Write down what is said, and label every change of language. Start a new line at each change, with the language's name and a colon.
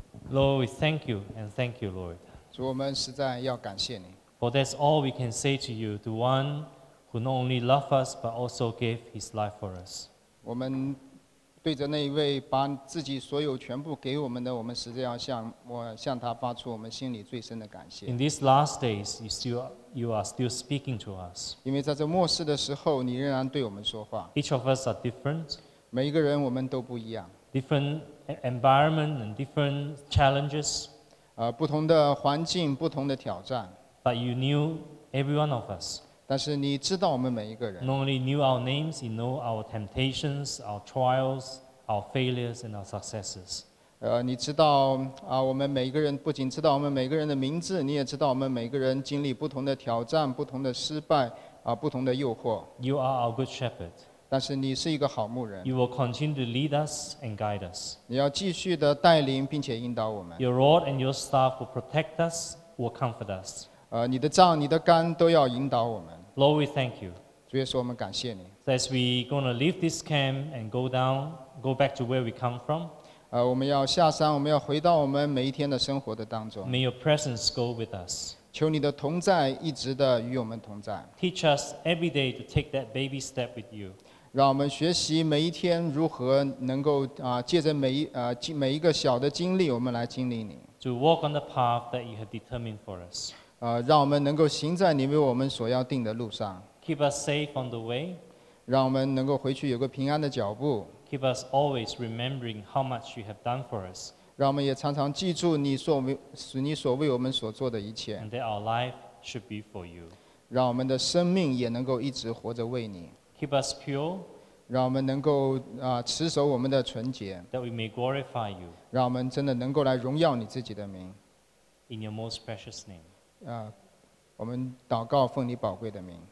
English: Lord, we thank you and thank you, Lord.
Chinese: 主，我们实在要感谢你。
English: For that's all we can say to you, the one who not only loved us but also gave his life for us.
Chinese: 我们对着那一位把自己所有全部给我们的，我们实在要向他发出我们心里最深的感谢。
English: In these last days, you are still speaking to us.
Chinese: 因为在这末世的时候，你仍然对我们说话。
English: Each of us are different.
Chinese: 每一个人我们都不一样。
English: Different environment and different challenges.
Chinese: 不同的环境，不同的挑战。
English: But you knew every one of us.
Chinese: 但是你知道我们每一个人。
English: Not only knew our names, you know our temptations, our trials, our failures and our successes.
Chinese: 你知道我们每个人不仅知道我们每个人的名字，你也知道我们每个人经历不同的挑战、不同的失败、不同的诱惑。
English: You are our good shepherd.
Chinese: 但是你是一个好牧人。
English: You will continue to lead us and guide us.
Chinese: 你要继续的带领并且引导我们。
English: Your rod and your staff will protect us, will comfort us.
Chinese: 你的杖、你的竿都要引导我们。
English: Lord, we thank you.
Chinese: 主耶稣，我们感谢你。
English: As we going to leave this camp and go back to where we come from.
Chinese: 我们要下山，我们要回到我们每一天的生活的当中。
English: May your presence go with us.
Chinese: 求你的同在一直的与我们同在。
English: Teach us every day to take that baby step with you.
Chinese: 让我们学习每一天如何能够借着每一个小的经历，我们来经历你。
English: To walk on the path that you have determined for us.
Chinese: 让我们能够行在你为我们所要定的路上。
English: Keep us safe on the way.
Chinese: 让我们能够回去有个平安的脚步。
English: Keep us always remembering how much you have done for us.
Chinese: 让我们也常常记住你所为我们所做的一切。
English: And that our life should be for you.
Chinese: 让我们的生命也能够一直活着为你。
English: Keep us pure.
Chinese: 让我们能够持守我们的纯洁。
English: That we may glorify you.
Chinese: 让我们真的能够来荣耀你自己的名。
English: In your most precious name.
Chinese: 我们祷告奉你宝贵的名。